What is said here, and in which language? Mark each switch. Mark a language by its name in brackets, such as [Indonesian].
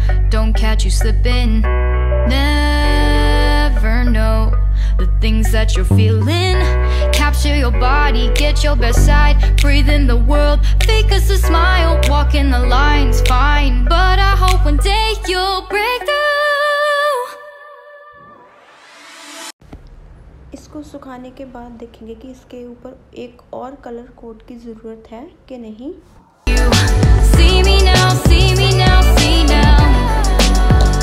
[English] Don't catch you slipping. Never know the things that you're feeling. Capture your body, get your best side. Breathe in the world, fake us a smile. Walk in the lines, fine. But I hope one day you'll break through. [Hindi] इसको सुखाने के बाद देखेंगे कि इसके ऊपर एक और कलर कोड की जरूरत है कि नहीं. [English] You see me now, see me now, see now.